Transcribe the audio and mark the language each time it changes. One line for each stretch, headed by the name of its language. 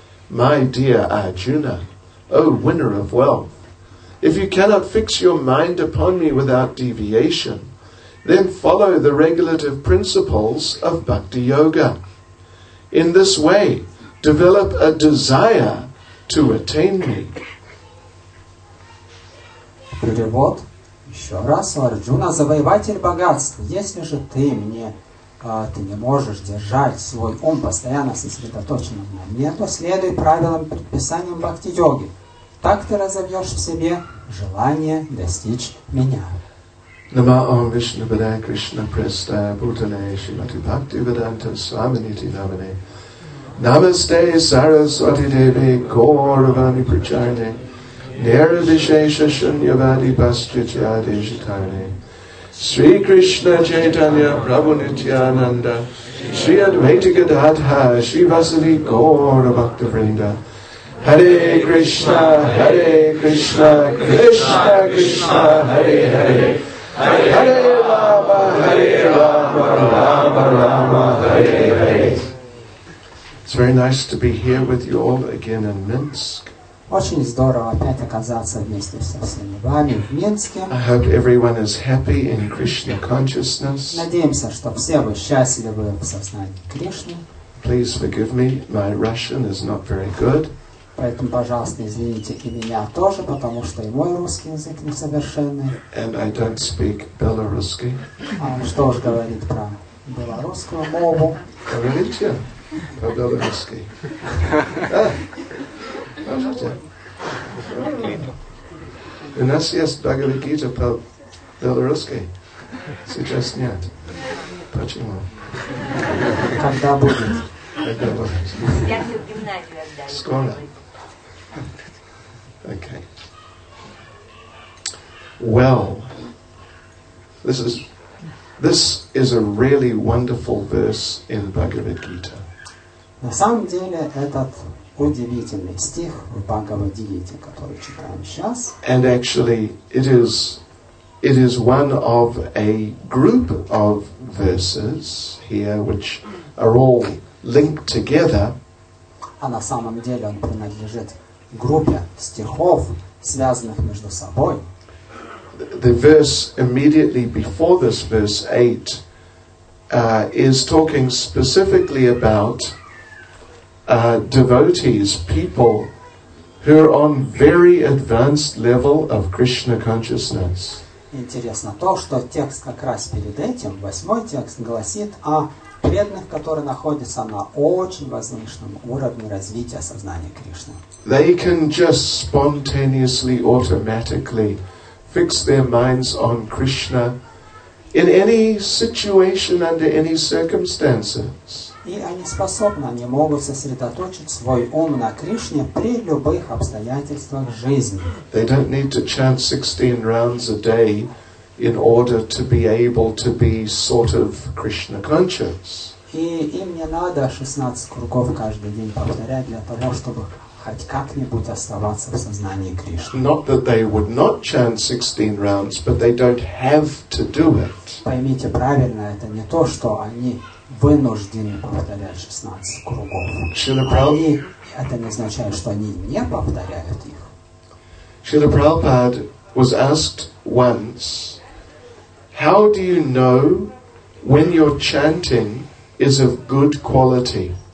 English: My dear Arjuna, O winner of wealth, if you cannot fix your mind upon me without deviation, then follow the regulative principles of bhakti yoga. In this way, develop a desire to attain me.
Russian: Перевод. Еще раз, Арджуна, завоеватель богатств, если же ты не можешь держать свой ум постоянно сосредоточенным на мне, то следуй правилам и предписаниям бхакти-йоги. Так ты разовьешь в себе желание достичь меня.
Sanskrit: Нама Ом Вишну Падая Кришна Престая Бутане Шимати Бхакти Веданта Свамините Навине Намасте Сарасвати Деве Гоуравани Причарне Нирвишеша Шуньявади Бхасчитья Дешитарне Шри Кришна Чайтанья Прабху Нитьянанда Шри Адвайта Гададха Шри Васади Гоуравактавринда Hare Krishna, Hare Krishna, Krishna Krishna, Hare Hare Hare Rama, Hare Rama, Rama Rama, Hare Hare.
English: It's very nice to be here with you all again in Minsk.
Russian: Очень здорово опять оказаться вместе со всеми вами в Минске.
English: I hope everyone is happy in Krishna consciousness.
Russian: Надеемся, что все вы счастливы в сознании Кришны.
English: Please forgive me, my Russian is not very good.
Russian: Поэтому, пожалуйста, извините и меня тоже, потому что и мой русский язык несовершенный.
English: And I don't speak Belarusian.
Russian: Что уж говорить про белорусскую мову? Говорите про белорусский. Пожалуйста. У нас есть Бхагавад-гита по белорусски. Сейчас нет. Почему? Когда будет? Когда будет. Я всю гимназию отдаю. Скоро.
English: Okay. Well, this is a really wonderful verse in Bhagavad Gita.
Russian: На самом деле этот удивительный стих в Бхагавад Гите, который читаем сейчас.
English: And actually, it is one of a group of verses here which are all linked together.
Russian: А на самом деле он принадлежит группе стихов, связанных между собой.
English: The verse immediately before this, verse 8, is talking specifically about devotees, people who are on very advanced level of Krishna consciousness.
Russian: Интересно то, что текст как раз перед этим, восьмой текст, гласит о преданных, которые находятся на очень возвышенном уровне развития сознания Кришны.
English: They can just spontaneously, automatically fix their minds on Krishna in any situation, under any circumstances.
Russian: И они способны, они могут сосредоточить свой ум на Кришне при любых обстоятельствах жизни.
English: They don't need to chant 16 rounds a day in order to be able to be sort of Krishna conscious.
Russian: И им не надо 16 кругов каждый день повторять для того, чтобы хоть как-нибудь оставаться в сознании Кришны.
English: Not that they would not chant 16 rounds, but they don't have to do it.
Russian: Поймите правильно, это не то, что они вынуждены повторять 16 кругов. Это не означает, что они не повторяют их.
English: Шрила Прабхупада was asked once, how do you know when your chanting is of good quality?